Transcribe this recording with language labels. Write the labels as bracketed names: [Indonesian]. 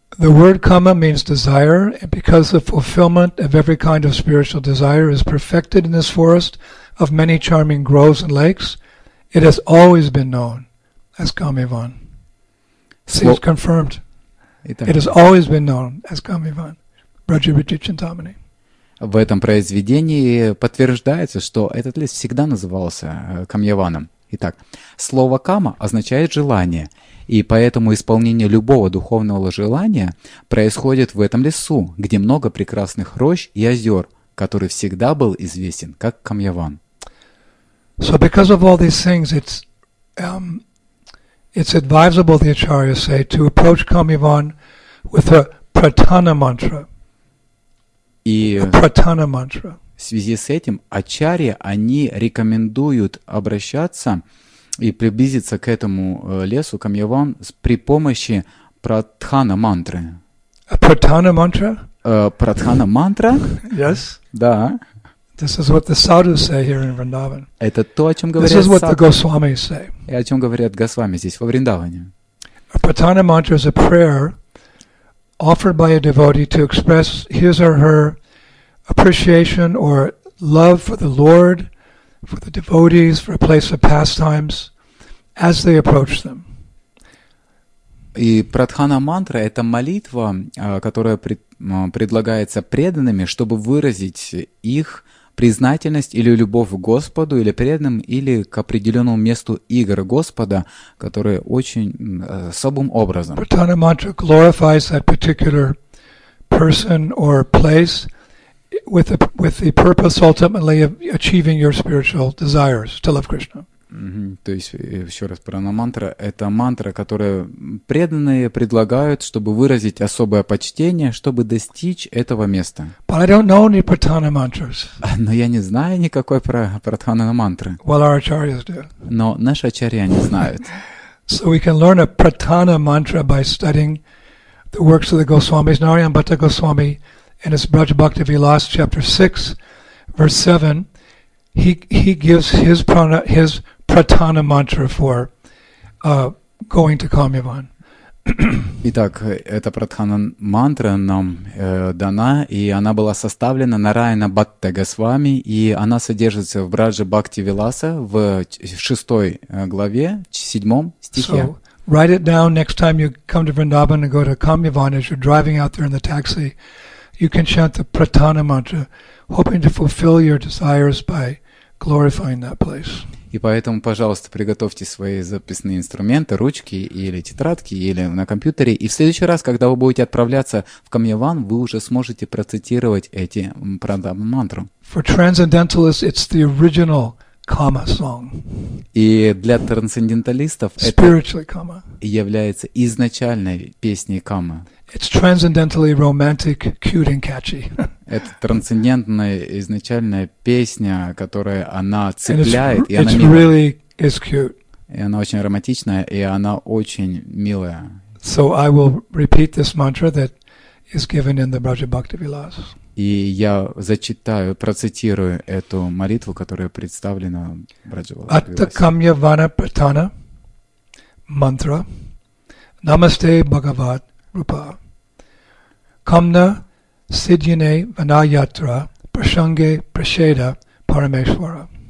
[English] The word kama means desire, and because the fulfillment of every kind of spiritual desire is perfected in this forest of many charming groves and lakes, it has always been known as Kamyavan. See, it's confirmed. [Russian] Итак. [English] It has always been known as Kamyavan. Braja Riti Chintamani. [Russian] в этом произведении подтверждается, что этот лес всегда назывался Камьяваном. Итак, слово «кама» означает «желание», и поэтому исполнение любого духовного желания происходит в этом лесу, где много прекрасных рощ и озер, который всегда был известен как Камьяван. [English] So because of all these things, it's advisable, the acharya say, to approach Kamyavan with a pratana mantra. [Russian] И [English] a pratana mantra. [Russian] В связи с этим ачарьи, они рекомендуют обращаться и приблизиться к этому лесу Камьяван при помощи пратхана мантры. [English] A pratana mantra? Pratana mantra? Yes. [Russian] Да. [English] This is what the sadhus say here in Vrindavan. [Russian] Это то, о чём говорят. [English] This is what the Goswamis say. [Russian] И о чём говорят Госвами здесь во Вриндаване. [English] A pratana mantra is a prayer offered by a devotee to express his or her appreciation or love for the Lord, for the devotees, for a place of pastimes as they approach them. [Russian] И пратхана мантра — это молитва, которая предлагается преданными, чтобы выразить их признательность или любовь к Господу, или преданным, или к определенному месту игр Господа, которые очень особым образом. [English] Pratana mantra glorifies that particular person or place with the purpose ultimately of achieving your spiritual desires to love Krishna. [Russian] То есть, еще раз, прана мантра — это мантра, которую преданные предлагают, чтобы выразить особое почтение, чтобы достичь этого места. [English] But I don't know any pratana mantras. [Russian] Но я не знаю никакой пратхана мантры. [English] Well, our acharyas do. [Russian] Но наши ачарьи не знают. [English] So we can learn a pratana mantra by studying the works of the Goswamis, Narayanabhatta Goswami in his Braj Bhakti Vilas, chapter 6, verse 7. He gives his pratana mantra for going to Kamyavan. [Russian] Итак, эта пратхана мантра нам дана, и она была составлена Нараяна-бхатта Госвами, и она содержится в Браджа Бхакти Виласа в 6 главе, 7 стихе. [English] So write it down next time you come to Vrindavan and go to Kamyavan as you're driving out there in the taxi. You can chant the pratana mantra, hoping to fulfill your desires by glorifying that place. [Russian] И поэтому, пожалуйста, приготовьте свои записные инструменты, ручки или тетрадки, или на компьютере. И в следующий раз, когда вы будете отправляться в Камьяван, вы уже сможете процитировать эти пратхана мантру. [English] For transcendentalists, it's the original Kama song. [Russian] И для трансценденталистов [English] spiritually Kama. [Russian] Является изначальной песней Кама. [English] It's transcendentally romantic, cute and catchy. [Russian] Это трансцендентная изначальная песня, которая она цепляет, [English] and it's [Russian] и она милая. [English] Really is cute. [Russian] И она очень романтичная, и она очень милая. [English] So I will repeat this mantra that is given in the Braja Bhakti Vilas. [Russian] И я зачитаю, процитирую эту молитву, которая представлена в Браджа Бхакти Виласе. [Sanskrit] Атта Камьявана Пратана Мантра Намасте Бхагават Рупа Камна Сидьяне Ванайатра Прашанге Прашеда Парамешвара.